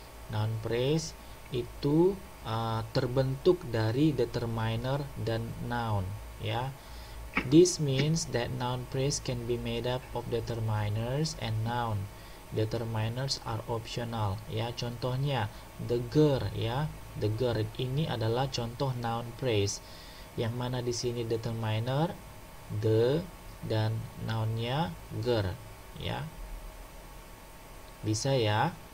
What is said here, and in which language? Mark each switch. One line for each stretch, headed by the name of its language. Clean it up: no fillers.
Indonesian: Noun phrase itu terbentuk dari determiner dan noun ya.
English: This means that noun phrase can be made up of determiners and noun. Determiners are optional ya. Contohnya the girl ya. The girl
Indonesian: ini adalah contoh noun phrase. Yang mana di sini determiner the dan nounnya girl ya. Bisa ya?